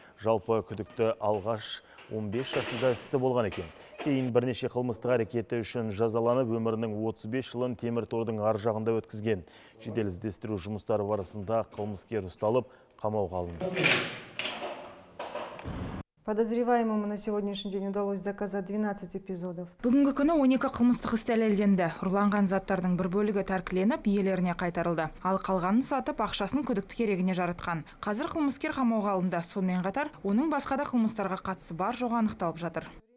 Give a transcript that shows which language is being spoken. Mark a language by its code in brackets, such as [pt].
[kk] Жалпы күдікті алғаш 15 жасында істі болған екен. Кейін бірнеше қылмыстық әрекеті үшін жазаланып, өмірінің 35 жылын темір тордың ар жағында өткізген. Жедел іздестіру жұмыстары барысында қылмыскер ұсталып, қамауға алынды. [ru] Подозреваемому на сегодняшний день удалось доказать 12 эпизодов. [kk] Бүгінгі күні 12 қылмыстық іс дәлелденді. Ұрланған заттардың бір бөлігі тәркіленіп, иелеріне қайтарылды. Ал қалғанын сатып, ақшасын күдікті керегіне жаратқан. Қазір қылмыскер қамауға алынды. Сонымен қатар, оның басқа да қылмыстарға қатысы бар жоғы анықталып жатыр.